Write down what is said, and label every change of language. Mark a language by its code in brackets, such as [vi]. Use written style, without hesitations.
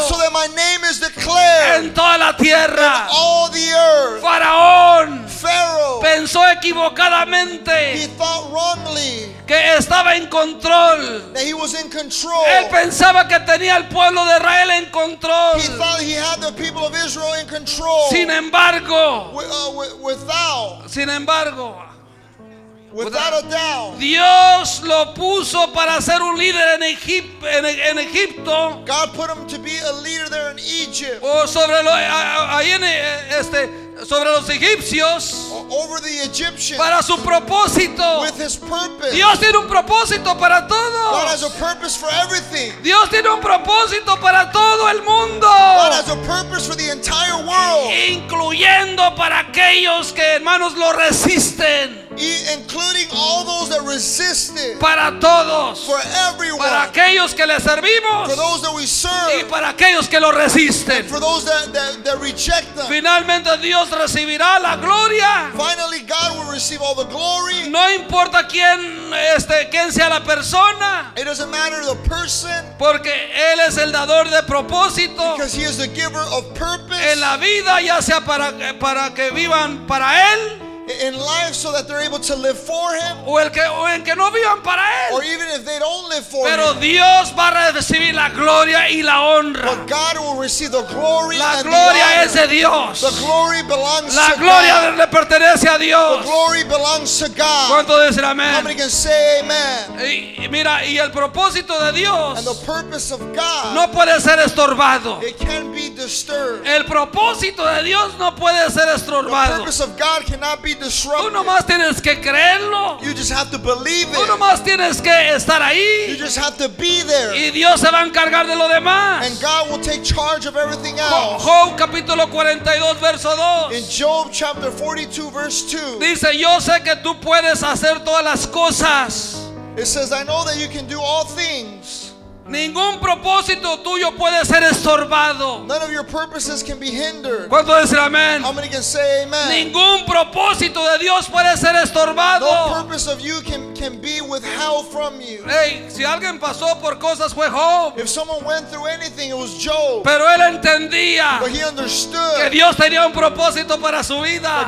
[en] So that my name is declared. [es] En toda la tierra. [en] In all the earth. [es] Faraón. [en] Pharaoh. [es] Pensó equivocadamente. [en] He thought wrongly. [es] Que estaba en control. [en] That he was in control. [es] Él pensaba que tenía al pueblo de Israel en control. [en] He thought he had the people of Israel in control. [es] Sin embargo. [en] Without. [es] Sin embargo. [en] Without a doubt, [es] Dios lo puso para ser un líder en Egipto. En Egipto. [en] God put him to be a leader there in Egypt. [es] O sobre lo ahí en este sobre los egipcios. [en] Over the Egyptians. [es] Para su propósito. [en] With his purpose. [es] Dios tiene un propósito para todos. [en] God has a purpose for everything. [es] Dios tiene un propósito para todo el mundo. [en] God has a purpose for the entire world. [es] Incluyendo para aquellos que hermanos lo resisten. [en] Including all those that resisted. [es] Para todos. [en] For everyone. [es] Para aquellos que le servimos. [en] For those that we serve. [es] Y para aquellos que lo resisten. [en] And for those that reject them. [es] Finalmente Dios recibirá la gloria. [en] Finally God will receive all the glory. [es] No importa quién quién sea la persona. [en] It doesn't matter the person. [es] Porque Él es el dador de propósito. [en] Because He is the giver of purpose. [es] En la vida, ya sea para que vivan para Él. [en] In life, so that they're able to live for Him, [es] o el que, o en que no vivan para él. [en] Or even if they don't live for [es] pero [en] Him. [es] Dios va a recibir la gloria y la honra. [en] But God will receive the glory. [es] La [en] and [es] gloria [en] the [es] es de Dios. [en] The glory belongs [es] la [en] to [es] gloria [en] God. [es] Le pertenece a Dios. [en] The glory belongs to God. [es] ¿Cuánto dicen amén? [en] How many can say amen? [es] Y mira, y el propósito de Dios [en] and the purpose of God [es] no puede ser estorbado. [en] It can't be disturbed. [es] El propósito de Dios no puede ser estorbado. [en] The purpose of God cannot be disrupted. [es] Tú nomás tienes que creerlo. [en] You just have to believe it. [es] Tú nomás tienes que estar ahí. [en] You just have to be there. [es] Y Dios se va a encargar de lo demás. [en] And God will take charge of everything else. [es] Job capítulo 42 verso 2. [en] In Job chapter 42 verse 2. [es] Dice, yo sé que tú puedes hacer todas las cosas. [en] It says, I know that you can do all things. [es] Ningún propósito tuyo puede ser estorbado. [en] None of your purposes can be hindered. [es] ¿Cuánto dicen amén? [en] How many can say amen? [es] Ningún propósito de Dios puede ser estorbado. [en] No purpose of you can be withheld from you. [es] Hey, si alguien pasó por cosas fue Job. [en] If someone went through anything, it was Job. [es] Pero él entendía. [en] But he understood. [es] Que Dios tenía un propósito para su vida.